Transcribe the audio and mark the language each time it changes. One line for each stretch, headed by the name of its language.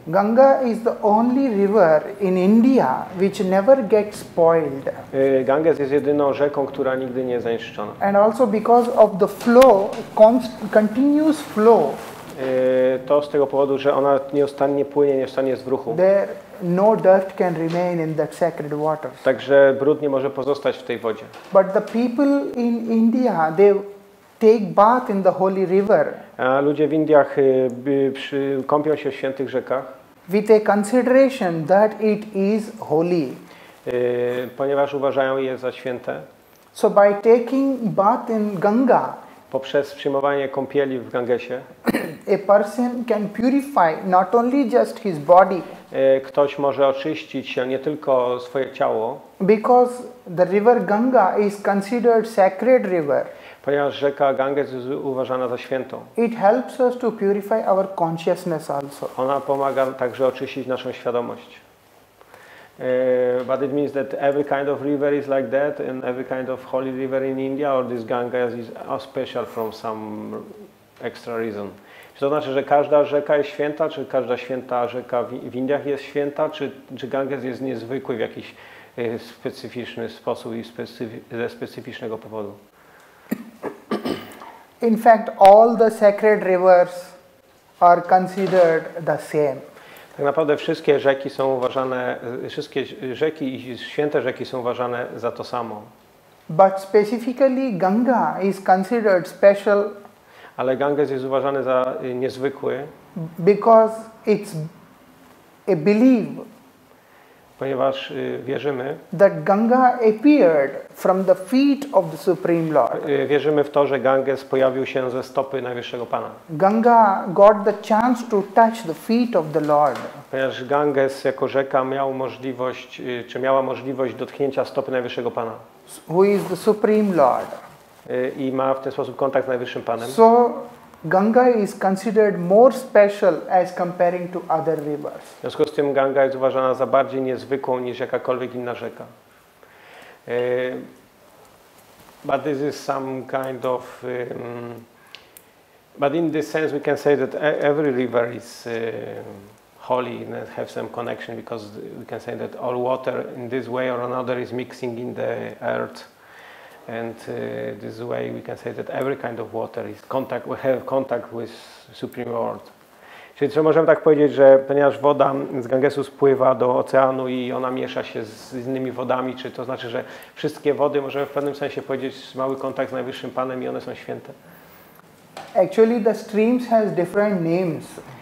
English: Ganga is the only river in India which never gets spoiled.
Polish: Ganges jest jedyną rzeką, która nigdy nie jest zanieczyszczona.
English: And also because of the flow, continuous flow.
Polish: To z tego powodu, że ona nieustannie płynie, nieustannie jest w ruchu.
English: There no dirt can remain in that sacred waters.
Polish: Także brud nie może pozostać w tej wodzie.
English: But the people in India, they take bath in the holy river.
Polish: A ludzie w Indiach kąpią się w świętych rzekach.
English: With a consideration that it is holy.
Polish: Ponieważ uważają je za święte.
English: So by taking bath in Ganga,
Polish: poprzez przyjmowanie kąpieli w Gangesie,
English: a person can purify not only just his body.
Polish: Ktoś może oczyścić się, nie tylko swoje ciało.
English: Because the river Ganga is considered sacred river.
Polish: Ponieważ rzeka Ganges jest uważana za świętą.
English: It helps us to purify our consciousness also.
Polish: Ona pomaga także oczyścić naszą świadomość.
English: But it means that every kind of river is like that, and every kind of holy river in India, or this Ganga is special from some extra reason.
Polish: Czy to znaczy, że każda rzeka jest święta, czy każda święta rzeka w Indiach jest święta, czy Ganges jest niezwykły w jakiś specyficzny sposób i ze specyficznego powodu?
English: In fact, all the sacred rivers are considered the same.
Polish: Tak naprawdę wszystkie rzeki są uważane, wszystkie rzeki i święte rzeki są uważane za to samo.
English: But specifically Ganga is considered special.
Polish: Ale Ganges jest uważany za niezwykły.
English: Because it's a belief.
Polish: Ponieważ wierzymy.
English: That Ganga appeared from the feet of the Supreme Lord.
Polish: Wierzymy w to, że Ganges pojawił się ze stopy Najwyższego Pana.
English: Ganga got the chance to touch the feet of the Lord.
Polish: Ponieważ Ganges jako rzeka miał możliwość, czy miała możliwość dotknięcia stopy Najwyższego Pana.
English: Who is the Supreme Lord?
Polish: I ma w ten sposób kontakt z Najwyższym Panem.
English: So Ganga is considered more special as comparing to other rivers.
Polish: W związku z tym Ganga jest uważana za bardziej niezwykłą niż jakakolwiek inna rzeka.
English: But this is some kind of but in this sense we can say that every river is holy and have some connection because we can say that all water in this way or another is mixing in the earth. And this way we can say that every kind of water is contact, we have contact with Supreme Lord.
Polish: Czyli możemy tak powiedzieć, że ponieważ woda z Gangesu spływa do oceanu i ona miesza się z innymi wodami, czy to znaczy, że wszystkie wody możemy w pewnym sensie powiedzieć, że mały kontakt z Najwyższym Panem i one są święte.
English: Actually the streams has different names.